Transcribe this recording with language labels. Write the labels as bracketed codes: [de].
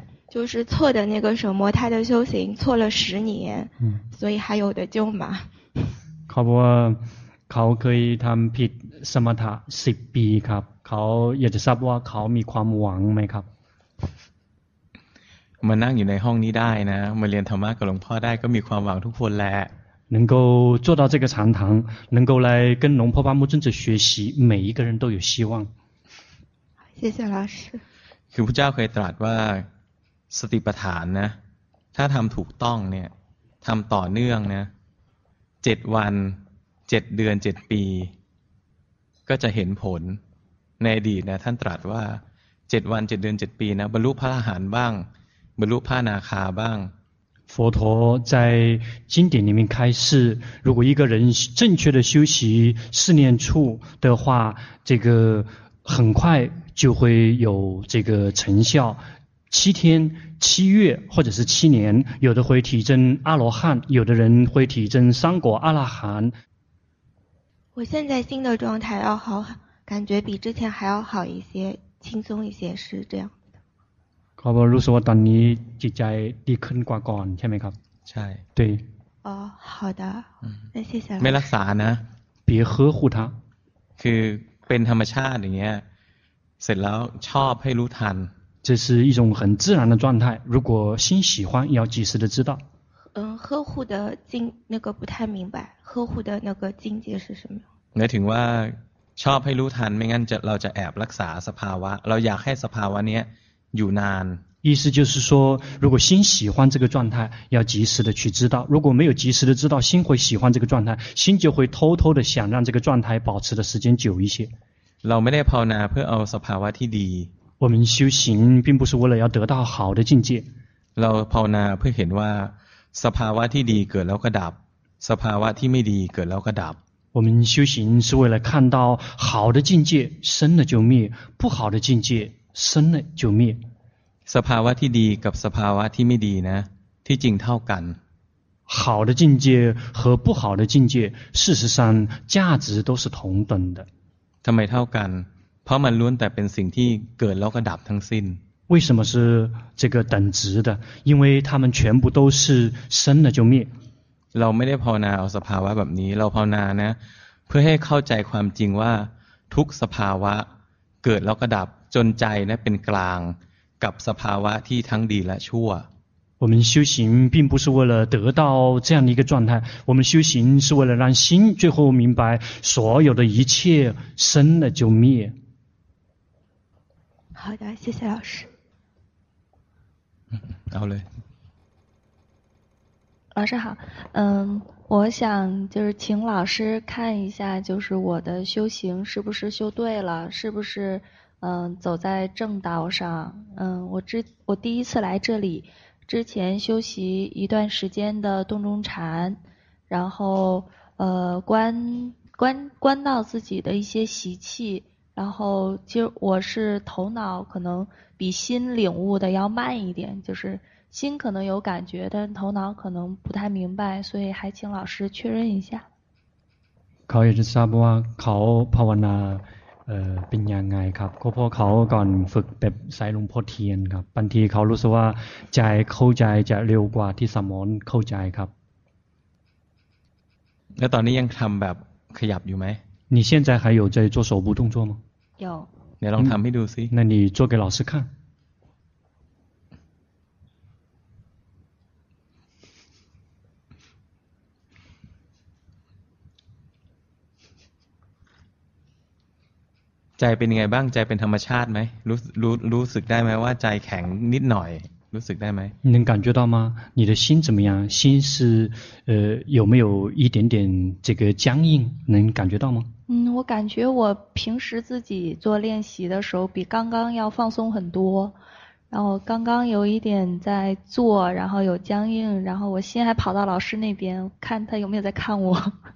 [zh] 就是错的那个什么他的修行错了10年所以还有的救吗 [th] เขาบอกว่าเขาเคยทำผิดสมถะ10 ปีครับเขาอยากจะทราบว่าเขามีความหวังไหมครับ มานั่งอยู่ในห้องนี้ได้นะมาเรียนธรรมะกับหลวงพ่อได้ก็มีความหวังทุกคนแหละ [zh] 能够坐到这个禅堂能够来跟龙婆巴木尊者学习每一个人都有希望谢谢老师 [th] คือพระเจ้าเคยตรัสว่าสติปัฏฐานนะถ้าทำถูกต้องเนี่ยทำต่อเนื่องนะ7 วัน 7 เดือน 7 ปีก็จะเห็นผลในอดีตนะท่านตรัสว่า7 วัน 7 เดือน 7 ปีนะบรรลุพระอรหันต์บ้างบรรลุพระอนาคาบ้าง [zh] 佛陀在经典里面开示，如果一个人正确的修习四念处的话，这个很快就会有这个成效，7天、7月或者是7年，有的会体证阿罗汉，有的人会体证三果阿拉含。我现在新的状态要好，感觉比之前还要好一些，轻松一些，是这样的。 [th] ครับ รู้สึกว่าตอนนี้จิตใจดีขึ้นกว่าก่อนใช่ไหมครับ ใช่ [zh] 对。哦，好的。嗯。那谢谢了。没拉萨呢？别呵护他。 [th] คือเป็นธรรมชาติอย่างเงี้ยเสร็จแล้วชอบให้รู้ทัน [zh] 这是一种很自然的状态如果心喜欢要及时的知道嗯呵护的境那个不太明白呵护的那个境界是什么 [th] หมายถึงว่าชอบให้รู้ทันไม่งั้นเราจะแอบรักษาสภาวะเราอยากให้สภาวะเนี้ยอยู่นาน [zh] 意思就是说如果心喜欢这个状态要及时的去知道如果没有及时的知道心会喜欢这个状态心就会偷偷的想让这个状态保持的时间久一些 [th] เราไม่ได้ภาวนาเพื่อเอาสภาวะที่ดี [zh] 我们修行并不是为了要得到好的境界 [th] เราภาวนาเพื่อเห็นว่าสภาวะที่ดีเกิดแล้วก็ดับสภาวะที่ไม่ดีเกิดแล้วก็ดับ [zh] 我们修行是为了看到好的境界生了就灭不好的境界生了就灭 [th] สภาวะที่ดีกับสภาวะที่ไม่ดีนะที่จริงเท่ากัน [zh] 好的境界和不好的境界事实上价值都是同等的 [th] ทำไมเท่ากันเพราะมันล้วนแต่เป็นสิ่งที่เกิดแล้วก็ดับทั้งสิ้น [zh] 为什么是这个等值的因为它们全部都是生了就灭 [th] เราไม่ได้ภาวนาเอาสภาวะแบบนี้เราภาวนานะเพื่อให้เข้าใจความจริงว่าทุกสภาวะเกิดแล้วก็ดับจนใจนะเป็นกลางกับสภาวะที่ทั้งดีและชั่ว [zh] 我们修行并不是为了得到这样的一个状态我们修行是为了让心最后明白所有的一切生了就灭好的谢谢老师好嘞老师好嗯，我想就是请老师看一下就是我的修行是不是修对了是不是嗯，走在正道上嗯，我第一次来这里之前修习一段时间的洞中禅然后观到自己的一些习气然后其实我是头脑可能比心领悟的要慢一点就是心可能有感觉但头脑可能不太明白所以还请老师确认一下 [th] ขาอยากจะทราบว่าเขาภาวนาเป็นยังไงครับก็เพราะเขาก่อนฝึกแบบใส่หลวงพ่อเทียนครับบางทีเขารู้สึกว่าใจเข้าใจจะเร็วกว่าที่สมองเข้าใจครับ แล้วตอนนี้ยังทำแบบขยับอยู่ไ [zh] หม你现在还有在做手部动作吗有 [th] เดี๋ยวลองทำให้ดูสิ [zh] 那你做给老师看 [th] ใจเป็นยังไงบ้างใจเป็นธรรมชาติไหมรู้สึกได้ไหมว่าใจแข็งนิดหน่อยรู้สึกได้ไ [zh] หม能感觉到吗你的心怎么样心是有没有一点点这个僵硬能感觉到吗我感觉我平时自己做练习的时候比刚刚要放松很多然后刚刚有一点在做然后有僵硬然后我心还跑到老师那边看他有没有在看我